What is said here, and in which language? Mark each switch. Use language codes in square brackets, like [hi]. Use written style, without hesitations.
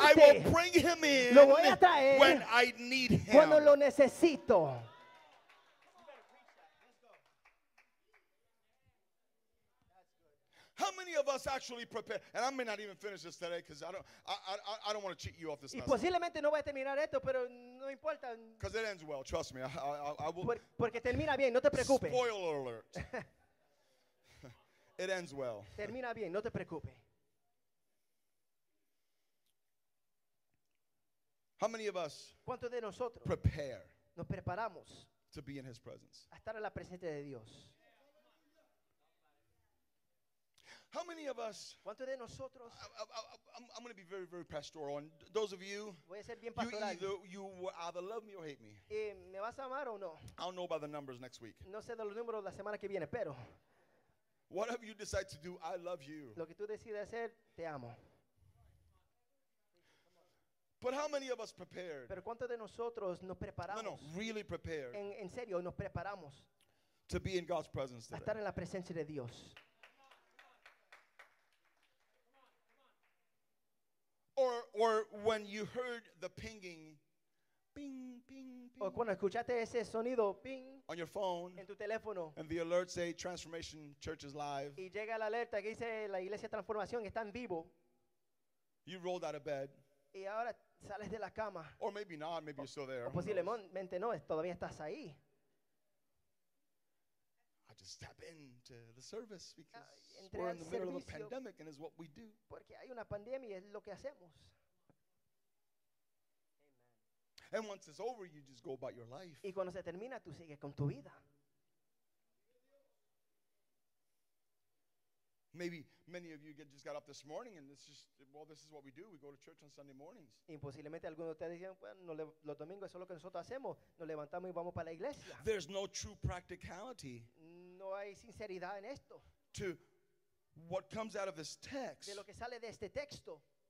[en] I will bring him in. [es] Lo voy a traer [en] when I need him. [es] Cuando lo necesito. [en] How many of us actually prepare? And I may not even finish this today because I don't want to cheat you off this. [es] Y posiblemente no voy a terminar esto, pero no importa. [en] Because it ends well, trust me. I will. [es] Porque termina bien, no te preocupes. [en] Spoiler alert. It ends well. [es] Termina bien, no te preocupes. [en] How many of us [es] de nosotros [en] prepare [es] nos preparamos [en] to be in his presence? [es] A estar en la presencia de Dios. [en] How many of us [es] de nosotros [en] I'm going to be very, very pastoral. And those of you, [es] voy a ser bien pastoral. [en] You will either love me or hate me. [es] ¿Me vas a amar o no? [en] I don't know about the numbers next week. [es] No sé de los números la semana que viene, pero [en] whatever you decide to do, I love you. [es] Lo que tú decides hacer, te amo. [en] But how many of us prepared? [es] Pero ¿cuántos de nosotros nos preparamos? [en] No, really prepared. [es] En serio, nos preparamos. [en] To be in God's presence today. [es] A estar en la presencia de Dios. [en] Or when you heard the pinging ping, ping, ping. [es] O cuando escuchaste ese sonido, ping, [en] on your phone, [es] en tu teléfono, [en] and the alert say Transformation Church is live, [es] y llega la alerta que dice la iglesia Transformación está en vivo, [en] you rolled out of bed, [es] y ahora sales de la cama, [en] or maybe not, maybe you're still there, [es] o posiblemente no, todavía estás ahí. [en] I just tap into the service because we're in the middle of a pandemic and it's what we do. [es] Porque hay una pandemia y es lo que hacemos. [en] And once it's over, you just go about your life. [es] Y cuando se termina, tú sigues con tu vida. [en] Maybe many of you just got up this morning and it's just, well, this is what we do. We go to church on Sunday mornings. [es] Imposiblemente algunos de ustedes dicen, bueno, los domingos eso es lo que nosotros hacemos. Nos levantamos y vamos para la iglesia. [en] There's no true practicality. [es] No hay sinceridad en esto. [en] To what comes out of this text. [es] De lo que sale de este texto.